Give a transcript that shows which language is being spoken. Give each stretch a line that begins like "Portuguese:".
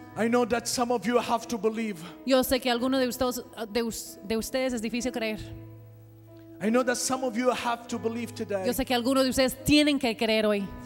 English: I know that some of you have to believe.
Spanish: Yo sé que alguno de ustedes es difícil creer.
English: I know that some of you have to believe today.
Spanish: Yo sé que alguno de ustedes tienen que creer hoy.